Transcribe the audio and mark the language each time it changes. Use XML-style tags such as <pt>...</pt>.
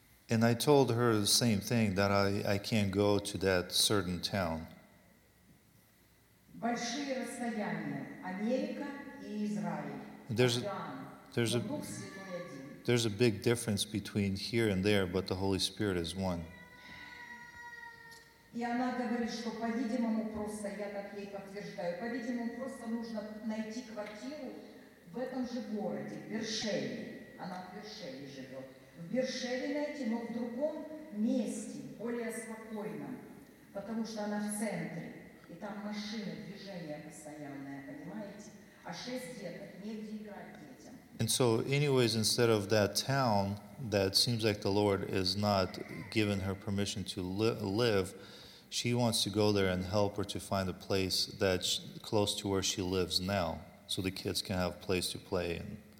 <en>And I told her the same thing, that I can't go to that certain town.</en> <ru>Большие расстояния, Америка и Израиль.</ru> <en>There's a big difference between here and there, but the Holy Spirit is one.</en> <ru>И она говорит, что, по-видимому, просто, я так ей подтверждаю, по-видимому, просто нужно найти квартиру в этом же городе, в Бершеве. Она в Бершеве живет. В Бершеве найти, но в другом месте, более спокойном, потому что она в центре, и там машины, движение постоянное, понимаете? А 6 деток, негде играть детям.</ru> <en>And so, anyways, instead of that town, that seems like the Lord is not giving her permission to live, She wants to go there and help her to find a place that's close to where she lives now, so the kids can have a place to play in.</en>